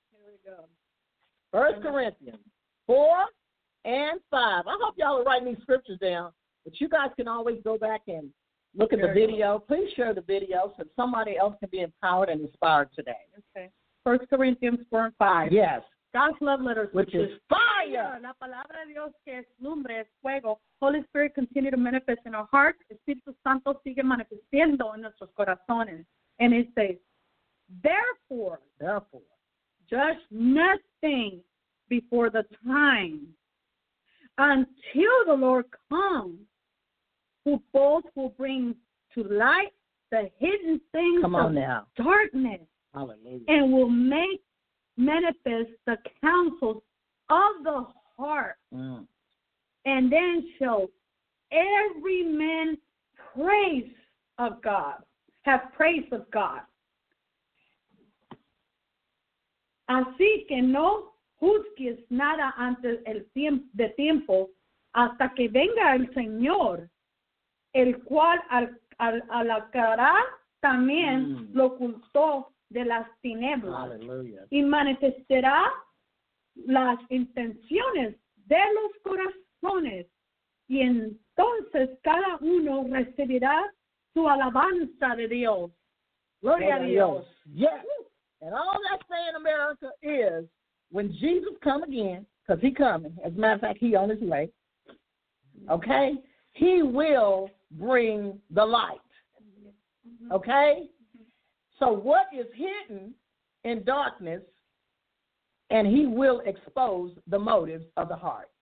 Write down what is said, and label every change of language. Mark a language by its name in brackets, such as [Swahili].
[English] Here we go. 1 Corinthians 4 and 5. I hope y'all are writing these scriptures down, but you guys can always go back and look at Very the video. Good. Please share the video so somebody else can be empowered and inspired today. Okay. 1 Corinthians 4 and 5. Yes. God's love letters, which is fire. [Spanish] La palabra de Dios que es lumbre, es fuego. [English] Holy Spirit continue to manifest in our hearts. [Spanish] Espíritu Santo sigue manifestando en nuestros corazones. [English] And it says, therefore, judge nothing before the time until the Lord comes, who both will bring to light the hidden things of darkness. Hallelujah. And will make manifest the counsels of the heart, and then shall every man praise of God, have praise of God. [Spanish] Así que no juzgues nada antes el de tiempo, hasta que venga el Señor, el cual alacará también lo ocultó de las tinieblas. [English] Hallelujah. [Spanish] Y manifestará las intenciones de los corazones, y entonces cada uno recibirá su alabanza de Dios. Gloria a Dios. Dios. [English] Yes. And all that say in America is, when Jesus come again, because he coming, as a matter of fact, he on his way, okay, he will bring the light. Okay? So what is hidden in darkness, and he will expose the motives of the heart.